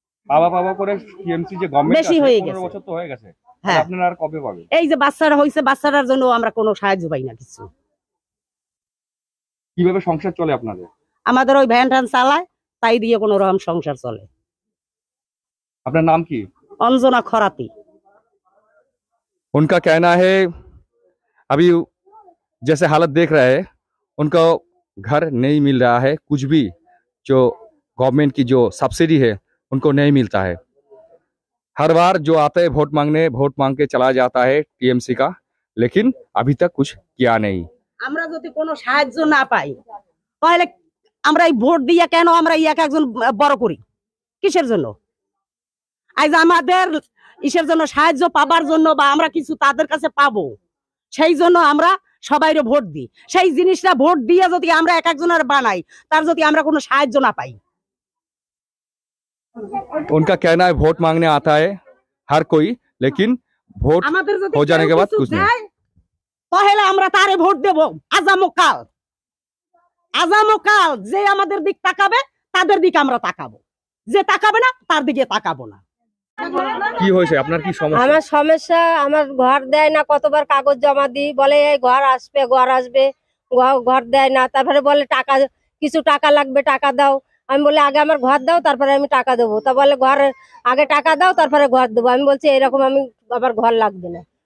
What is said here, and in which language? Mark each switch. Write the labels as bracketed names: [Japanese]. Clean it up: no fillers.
[Bangla] বাবা বাবা করে টিএমসি যে গভর্নমেন্ট বেশি হয়ে গেছে 15 বছর তো হয়ে গেছে হ্যাঁ আপনারা আর কবে পাবেন এই যে বাচ্চাটা হয়েছে বাচ্চাটার জন্য আমরা কোনো সাহায্য পাই না কিছু কিভাবে সংসার চলে আপনাদের আমাদের ওই ভ্যান ট্রান চালায় তাই দিয়ে কোনো রকম সংসার চলে আপনার নাম কি অঞ্জনা খরাতি [Hindi] उनका कहना है अभी जैसे हालत देख रहे हैं उनका घर नहीं मिल रहा है कुछ भी जो गवर्नमेंट की जो सब्सिडी है उनको नहीं मिलता है हर बार जो आते हैं वोट मांगने वोट मांग के चला जाता है टीएमसी का लेकिन अभी तक कुछ किया नहीं [Bangla] আমরা যদি কোনো সাহায্য না পাই তাহলে আমরা এই ভোট দিয়া কেন আমরা এক একজন বড় করি কিসের জন্য আজ আমাদের ইসের জন্য সাহায্য পাবার জন্য বা আমরা কিছু তাদের কাছে পাবো সেই জন্য আমরা সবাই রে ভোট দি সেই জিনিসটা ভোট দিয়ে যদি আমরা এক একজনের বানাই তার যদি আমরা কোনো সাহায্য না পাই [Hindi] उनका कहना है वोट मांगने आता है हर कोई लेकिन वोट हो जाने के बाद कुछ नहीं पहले [Bangla] আমরা তারে ভোট দেব আজামকাল যে আমাদের দিক তাকাবে তাদের দিক আমরা তাকাবো যে তাকাবে না তার দিকে তাকাবো না কি হইছে আপনার কি সমস্যা আমার সমস্যা আমার ঘর দেয় না কতবার কাগজ জমা দি বলে এই ঘর আসবে ঘর দেয় না তারপরে বলে টাকা কিছু টাকা লাগবে টাকা দাও আমি বলে আগে আমার ঘর দাও তারপরে আমি টাকা দেব তা বলে ঘর আগে টাকা দাও তারপরে ঘর দেব আমি বলছি এরকম আমি আবার ঘর লাগবে না